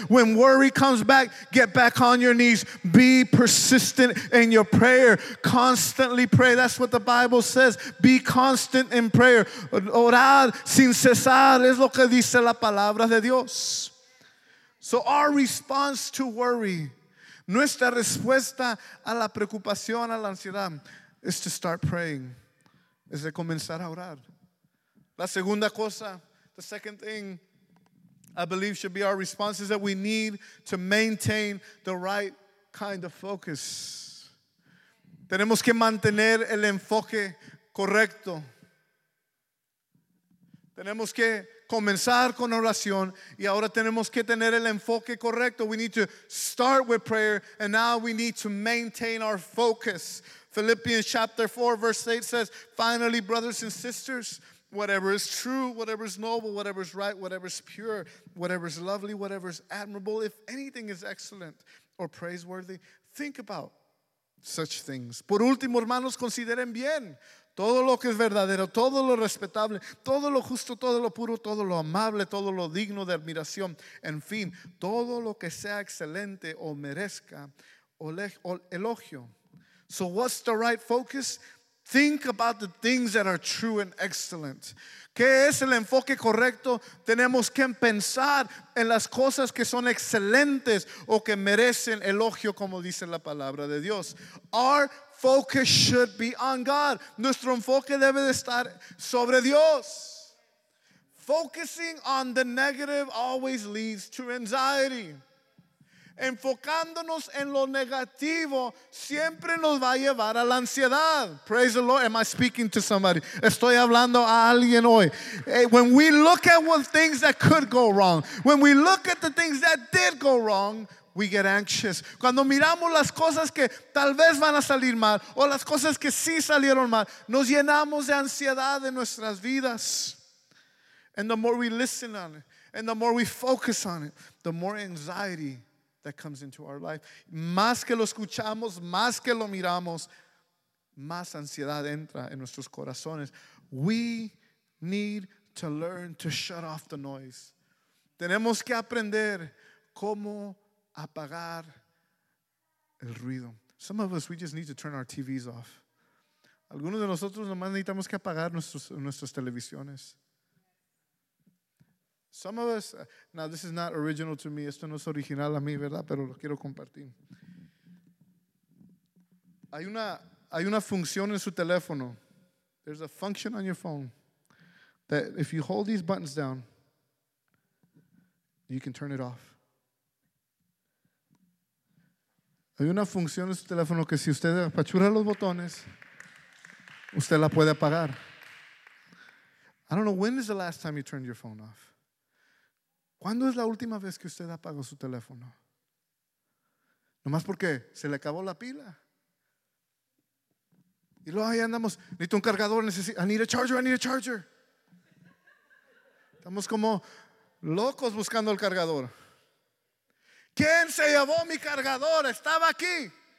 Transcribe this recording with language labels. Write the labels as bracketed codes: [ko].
[en] When worry comes back, get back on your knees. Be persistent in your prayer. Constantly pray. That's what the Bible says. Be constant in prayer. [es] Orad sin cesar. Es lo que dice la palabra de Dios. [en] So our response to worry, [es] nuestra respuesta a la preocupación, a la ansiedad, [en] is to start praying. [es] Es de comenzar a orar. La segunda cosa, [en] the second thing I believe should be our response is that we need to maintain the right kind of focus. [es] Tenemos que mantener el enfoque correcto. Tenemos que comenzar con oración y ahora tenemos que tener el enfoque correcto. [en] We need to start with prayer and now we need to maintain our focus. Philippians chapter 4 verse 8 says, finally, brothers and sisters, whatever is true, whatever is noble, whatever is right, whatever is pure, whatever is lovely, whatever is admirable, if anything is excellent or praiseworthy, think about such things. [es] Por último, hermanos, consideren bien todo lo que es verdadero, todo lo respetable, todo lo justo, todo lo puro, todo lo amable, todo lo digno de admiración. En fin, todo lo que sea excelente o merezca elogio. [en] So what's the right focus? Think about the things that are true and excellent. [es] ¿Qué es el enfoque correcto? Tenemos que pensar en las cosas que son excelentes o que merecen elogio, como dice la palabra de Dios. [en] Our focus should be on God. [es] Nuestro enfoque debe de estar sobre Dios. [en] Focusing on the negative always leads to anxiety. [es] Enfocándonos en lo negativo siempre nos va a llevar a la ansiedad. [en] Praise the Lord. Am I speaking to somebody? [es] Estoy hablando a alguien hoy. [en] Hey, when we look at what things that could go wrong, when we look at the things that did go wrong, we get anxious. [es] Cuando miramos las cosas que tal vez van a salir mal o las cosas que sí salieron mal, nos llenamos de ansiedad en nuestras vidas. [en] And the more we listen on it, and the more we focus on it, the more anxiety that comes into our life. [es] Más que lo escuchamos, más que lo miramos, más ansiedad entra en nuestros corazones. [en] We need to learn to shut off the noise. [es] Tenemos que aprender cómo apagar el ruido. [en] Some of us, we just need to turn our TVs off. [es] Algunos de nosotros nomás necesitamos que apagar nuestras televisiones. [en] Some of us, now this is not original to me, [es] esto no es original a mí, ¿verdad? Pero lo quiero compartir. Hay una función en su teléfono. [en] There's a function on your phone that if you hold these buttons down, you can turn it off. [es] Hay una función en su teléfono que si usted apachura los botones, usted la puede apagar. [en] I don't know, when is the last time you turned your phone off? [es] ¿Cuándo es la última vez que usted apagó su teléfono? Nomás porque se le acabó la pila. Y luego ahí andamos, necesito un cargador, [en] I need a charger. [es] Estamos como locos buscando el cargador. ¿Quién se llevó mi cargador? Estaba aquí.